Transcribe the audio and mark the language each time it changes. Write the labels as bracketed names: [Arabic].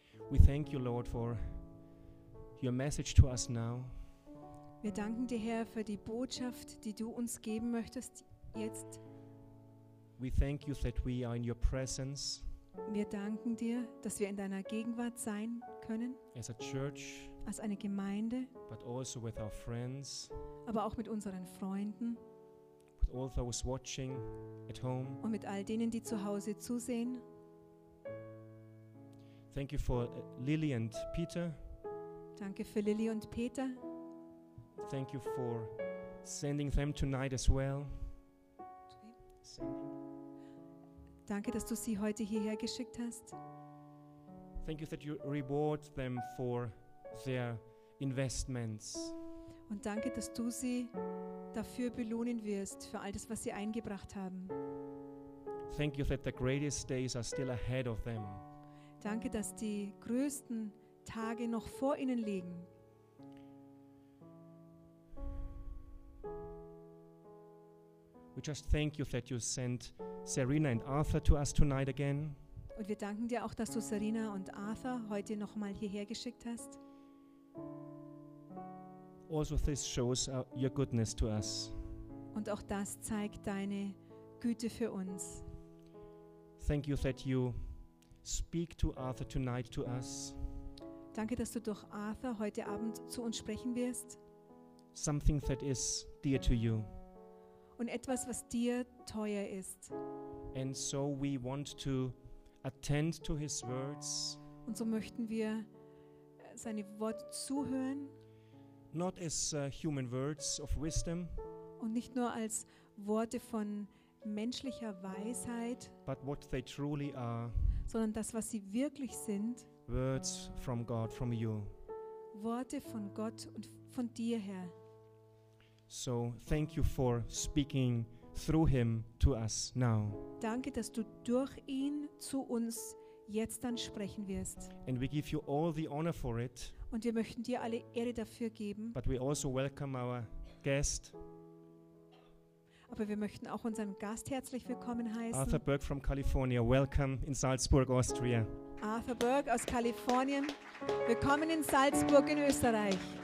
[English] We thank you, Lord, for your message to us now. [German] Wir danken dir, Herr, für die Botschaft, die du uns geben möchtest jetzt. [English] We thank you that we are in your presence. [German] Wir danken dir, dass wir in deiner Gegenwart sein können. [English] As a church, [German] als eine Gemeinde. [English] But also with our friends, [German] aber auch mit unseren Freunden. [English] With all those watching at home, [German] und mit all denen, die zu Hause zusehen. [English] Thank you for Lily and Peter. [German] Danke für Lily und Peter. [English] Thank you for sending them tonight as well. [German] Danke, dass du sie heute hierher geschickt hast. [English] Thank you that you reward them for their investments. [German] Und danke, dass du sie dafür belohnen wirst für all das, was sie eingebracht haben. [English] Thank you that the greatest days are still ahead of them. [German] Danke, dass die größten Tage noch vor ihnen liegen. [English] We just thank you that you sent Serena and Arthur to us tonight again. [German] Und wir danken dir auch, dass du Serena und Arthur heute noch mal hierher geschickt hast. [English] Also this shows your goodness to us. [German] Und auch das zeigt deine Güte für uns. [English] Thank you that you speak to Arthur tonight to us. [German] Danke, dass du durch Arthur heute Abend zu uns sprechen wirst. [English] Something that is dear to you. [German] Und etwas, was dir teuer ist. [English] And so we want to attend to his words. [German] Und so möchten wir seine Worte zuhören. [English] Not as human words of wisdom. [German] Und nicht nur als Worte von menschlicher Weisheit. [English] But what they truly are. [German] Sondern das, was sie wirklich sind. [English] Words from God, from you. [German] Worte von Gott und von dir, Herr. [English] So thank you for speaking through him to us now. [German] Danke, dass du durch ihn zu uns jetzt dann sprechen wirst. [English] And we give you all the honor for it. [German] Und wir möchten dir alle Ehre dafür geben. [English] But we also welcome our guest. [German] Aber wir möchten auch unseren Gast herzlich willkommen heißen. [English] Arthur Burk from California, welcome in Salzburg, Austria. [German] Arthur Burk aus Kalifornien, willkommen in Salzburg in Österreich.